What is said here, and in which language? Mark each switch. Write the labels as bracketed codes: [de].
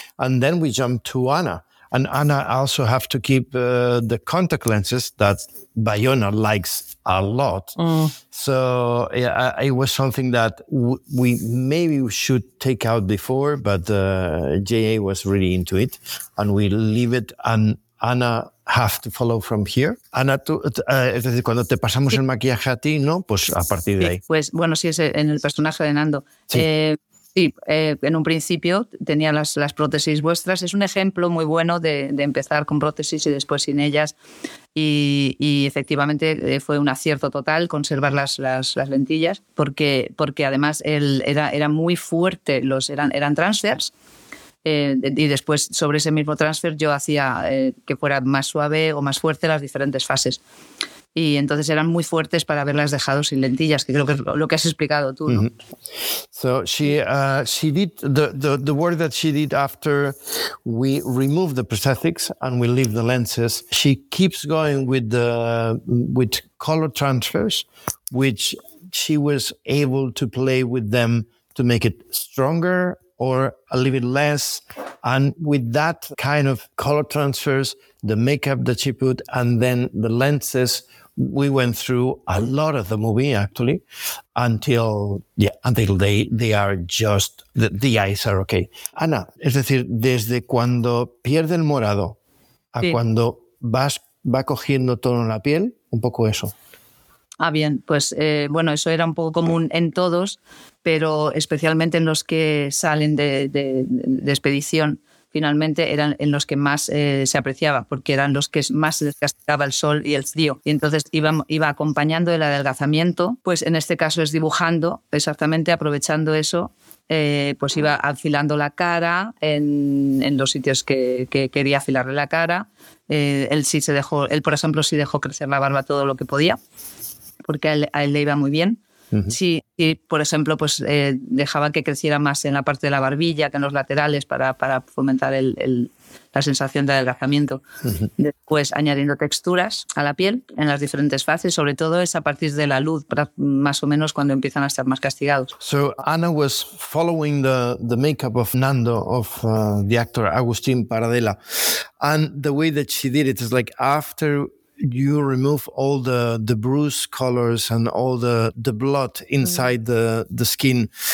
[en] And then we jumped to Anna. And Anna also have to keep the contact lenses that Bayona likes a lot. So yeah, it was something that we maybe should take out before, but JA was really into it, and we leave it, and Anna have to follow from here. [es] Ana, tú, es decir, cuando te pasamos el maquillaje a ti, ¿no? Pues a partir de ahí. Pues bueno, sí, es en el personaje de Nando. Sí. En un principio tenía las prótesis vuestras. Es un ejemplo muy bueno de empezar con prótesis y después sin ellas. Y efectivamente fue un acierto total conservar las lentillas, porque además era muy fuerte, eran transfers. Y después, sobre ese mismo transfer, yo hacía que fuera más suave o más fuerte las diferentes fases. Y entonces eran muy fuertes para haberlas dejado sin lentillas, que creo que es lo que has explicado tú, ¿no? [en] So she did the work that she did after we removed the prosthetics and we leave the lenses. She keeps going with color transfers, which she was able to play with them to make it stronger or a little bit less. And with that kind of color transfers, the makeup that she put, and then the lenses, we went through a lot of the movie, actually, until they are just, the eyes are okay. [es] Ana, es decir, desde cuando pierde el morado a cuando va cogiendo tono en la piel, un poco eso. Ah, bien, pues bueno, eso era un poco común en todos, pero especialmente en los que salen de expedición, finalmente eran en los que más se apreciaba, porque eran los que más desgastaba el sol y el frío. Y entonces iba acompañando el adelgazamiento, pues en este caso es dibujando, exactamente aprovechando eso, pues iba afilando la cara en los sitios que quería afilarle la cara. Él, por ejemplo, dejó crecer la barba todo lo que podía, porque a él le iba muy bien. Sí, y por ejemplo, pues dejaba que creciera más en la parte de la barbilla que en los laterales para fomentar la sensación de adelgazamiento. Después añadiendo texturas a la piel en las diferentes fases, sobre todo es a partir de la luz, más o menos cuando empiezan a estar más castigados. [en] So Anna was following the makeup of Nando, of the actor Agustín Paradela, and the way that she did it is like after you remove all the bruise colors and all the blood inside the skin.